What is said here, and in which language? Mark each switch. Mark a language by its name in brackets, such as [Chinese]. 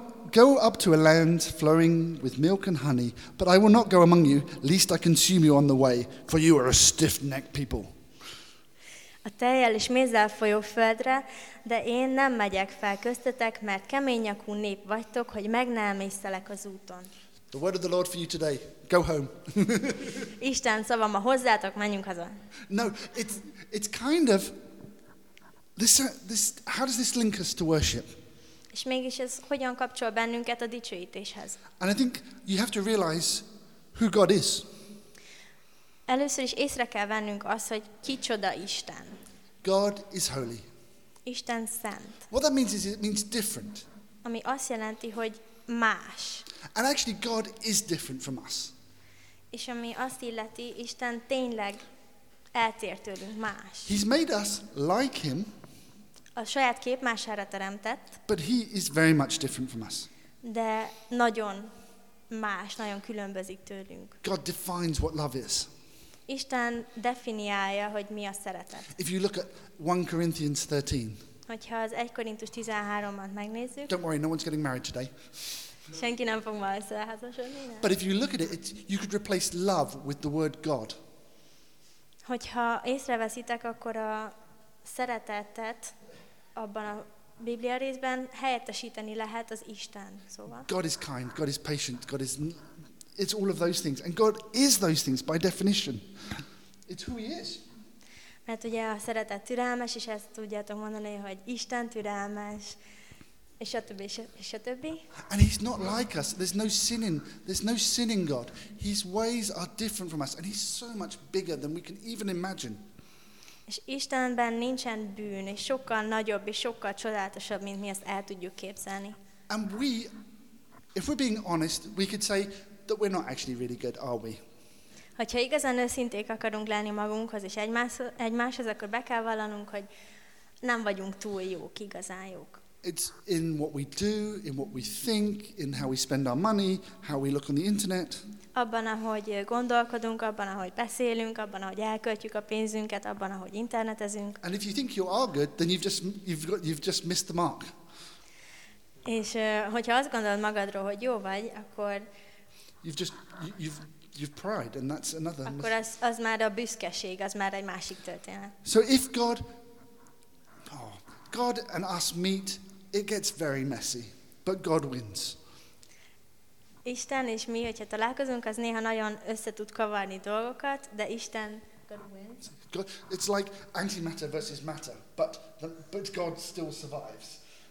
[English] Go up to a land flowing with milk and honey, but I will not go among you, lest I consume you on the way, for you are a stiff-necked people. [Hungarian] A tejjel és mézzel folyó földre, de én nem megyek fel köztetek, mert kemény nyakú nép vagytok, hogy meg ne emésztelek az úton. [English] The word of the Lord for you today. Go home. [Hungarian] Isten szava ma hozzátok, menjünk haza. [English] No, it's kind of... This how does this link us to worship? [Hungarian] És mégis ez hogyan kapcsol bennünket a dicsőítéshez? [English] And I think you have to realize who God is. [Hungarian] Először is észre kell vennünk azt, hogy kicsoda Isten. [English] God is holy. [Hungarian] Isten szent. [English] What that means is it means different. [Hungarian] Ami azt jelenti, hogy más. [English] And actually God is different from us. [Hungarian] És ami azt illeti, Isten tényleg eltér tőlünk, más. [English] He's made us like him. [Hungarian] A saját képmására teremtett. [English] But he is very much different from us. [Hungarian] De nagyon más, nagyon különbözik tőlünk. [English] God defines what love is. [Hungarian] Isten definiálja, hogy mi a szeretet. [English] If you look at 1 Corinthians 13. [Hungarian] Hogyha az 1 Korintus 13-at megnézzük. [English] Don't worry, no one's getting married today. [Hungarian] Senki nem fog ma összeházasodni. [English] But if you look at it, you could replace love with the word God. [Hungarian] Hogyha észreveszitek, akkor a szeretetet abban a Biblia részben helyettesíteni lehet az Isten szóval. [English] God is kind, God is patient, God is... It's all of those things. And God is those things by definition. It's who he is. [Hungarian] Mert ugye a szeretet türelmes, és ezt tudjátok mondani, hogy Isten türelmes, és a többi, és a többi. [English] And he's not like us. There's no sin in God. His ways are different from us. And he's so much bigger than we can even imagine. [Hungarian] És Istenben nincsen bűn, és sokkal nagyobb, és sokkal csodálatosabb, mint mi ezt el tudjuk képzelni. [English] And we, if we're being honest, we could say that we're not actually really good, are we? [Hungarian] Hogyha igazán őszinték akarunk lenni magunkhoz, és egymáshoz, akkor be kell vallanunk, hogy nem vagyunk túl jók, igazán jók. [English] It's in what we do, in what we think, in how we spend our money, how we look on the internet. [Hungarian] Abban, ahogy gondolkodunk, abban, ahogy beszélünk, abban, ahogy elköltjük a pénzünket, abban, ahogy internetezünk. [English] And if you think you are good, then you've just missed the mark. [Hungarian] És hogyha azt gondolod magadról, hogy jó vagy, akkor [English] you've pride, and that's another. [Hungarian] Akkor az már a büszkeség, az már egy másik történet. [English] So if God God and us meet, it gets very messy, but God wins. [Hungarian] Isten és mi, hogyha találkozunk, az néha nagyon össze tud kavarni dolgokat, de Isten [English] God wins. It's like antimatter versus matter, but God still survives.